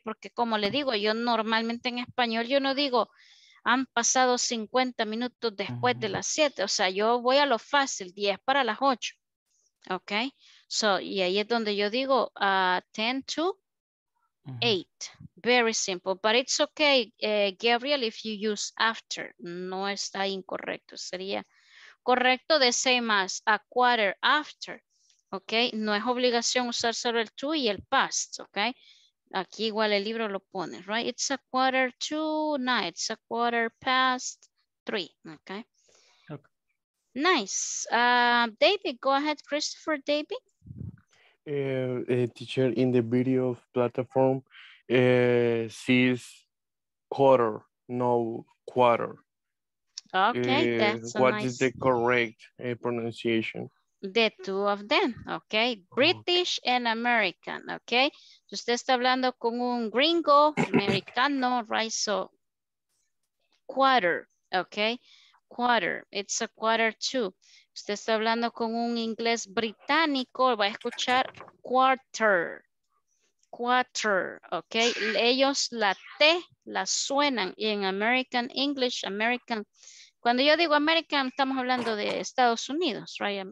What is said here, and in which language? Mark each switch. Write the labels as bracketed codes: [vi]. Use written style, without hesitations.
[es] Porque como le digo, yo normalmente en español yo no digo han pasado 50 minutos después de las 7. O sea, yo voy a lo fácil, 10 para las 8. Ok. [en] So, [es] y ahí es donde yo digo [en] 10 to 8. Very simple. But it's okay, Gabriel, if you use after. [es] No está incorrecto. Sería correcto [en] the same as a quarter after. [es] Ok, no es obligación usar solo el to y el past, ok. Aquí igual el libro lo pone, [en] right? It's a quarter to nine, it's a quarter past three, ok. Okay. Nice. David, go ahead, Christopher, David. Teacher, in the video platform, sees quarter, no quarter. Ok, that's what nice. What is the correct pronunciation? The two of them, okay, British and American, okay. [es] Usted está hablando con un gringo, americano, [en] right? So, quarter, okay, quarter, it's a quarter two. [es] Usted está hablando con un inglés británico, va a escuchar quarter, quarter, okay. Ellos la T la suenan en [en] American English, [es] American. Cuando yo digo American, estamos hablando de Estados Unidos, [en] right?